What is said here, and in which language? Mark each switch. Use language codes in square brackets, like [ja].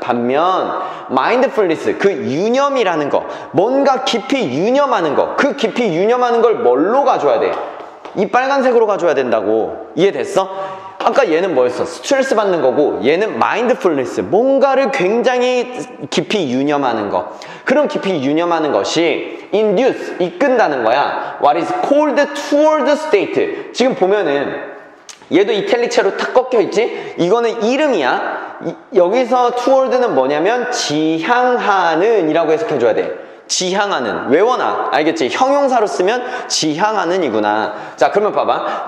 [ko] 반면 mindfulness, 그 유념이라는 거, 뭔가 깊이 유념하는 거, 그 깊이 유념하는 걸 뭘로 가져야 돼? 이 빨간색으로 가져야 된다고. 이해됐어? 아까 얘는 뭐였어? 스트레스 받는 거고 얘는 mindfulness, 뭔가를 굉장히 깊이 유념하는 거. 그런 깊이 유념하는 것이 induce, 이끈다는 거야. [en] What is called toward state. [ko] 지금 보면은 얘도 이탈릭체로 탁 꺾여있지? 이거는 이름이야. 여기서 toward는 뭐냐면 지향하는 이라고 해석해줘야 돼. 지향하는, 외워놔. 알겠지? 형용사로 쓰면 지향하는 이구나. 자, 그러면 봐봐.